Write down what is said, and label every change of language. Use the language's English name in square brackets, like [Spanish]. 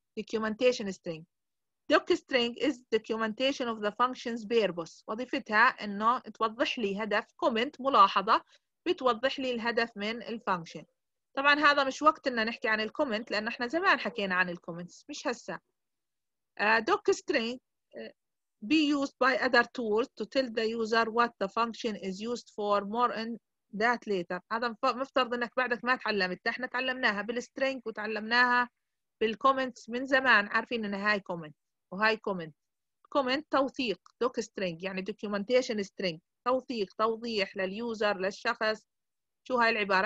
[English] documentation string. doc string is documentation of the function's purpose. [Arabic] وظيفتها إنه توضح لي هدف، comment ملاحظة بتوضح لي الهدف من الفانكشن. طبعا هذا مش وقت إنه نحكي عن الكومنت لأن إحنا زمان حكينا عن الكومنت، مش هسا. [English] doc string be used by other tools to tell the user what the function is used for more in that later. [Arabic] هذا مفترض انك بعدك ما تعلمت، احنا تعلمناها بالسترينج وتعلمناها بالكومنتس من زمان، عارفين ان هاي كومنت وهاي كومنت. كومنت توثيق، دوك سترينج يعني دوكيومنتيشن سترينج، توثيق توضيح لليوزر للشخص شو هاي العباره.